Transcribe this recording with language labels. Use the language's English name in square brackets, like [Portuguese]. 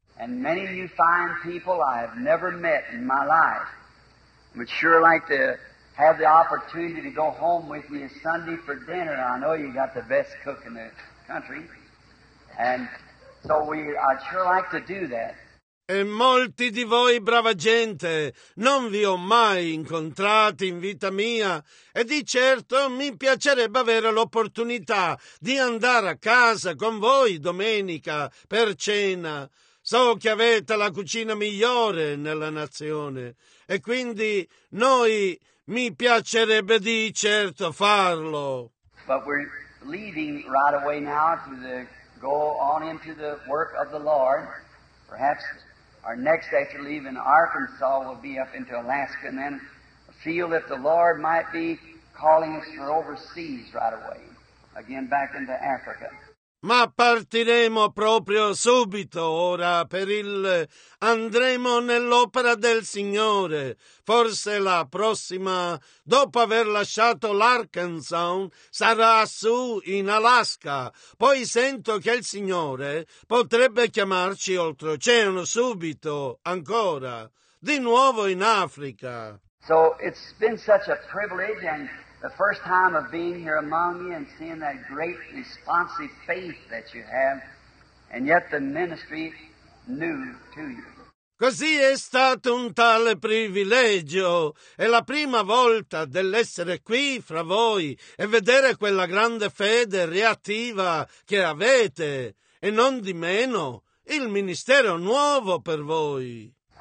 [English] And many of you fine people I have never met in my life would sure like to have the opportunity to go home with me Sunday for dinner. I know you got the best cook in the country. And so I'd sure like to do that. [Italian] E molti di voi, brava gente, non vi ho mai incontrati in vita mia, e di certo mi piacerebbe avere l'opportunità di andare a casa con voi domenica per cena. So che avete la cucina migliore nella nazione, e quindi noi mi piacerebbe di certo farlo. [English] But we're leaving right away now to the go on into the work of the Lord. Perhaps our next after leaving Arkansas will be up into Alaska, and then feel that the Lord might be calling us for overseas right away, again back into Africa. [Italian] Ma partiremo proprio subito ora per andremo nell'opera del Signore. Forse la prossima, dopo aver lasciato l'Arkansas, sarà su in Alaska. Poi sento che il Signore potrebbe chiamarci oltreoceano subito, ancora, di nuovo in Africa. [English] So it's been such a privilege and the first time of being here among you and seeing that great responsive faith that you have, and yet the ministry new to you. [Italian] Così è stato un tale privilegio. È la prima volta dell'essere qui fra voi e vedere quella grande fede reattiva che avete. E non di meno, il ministero nuovo per voi.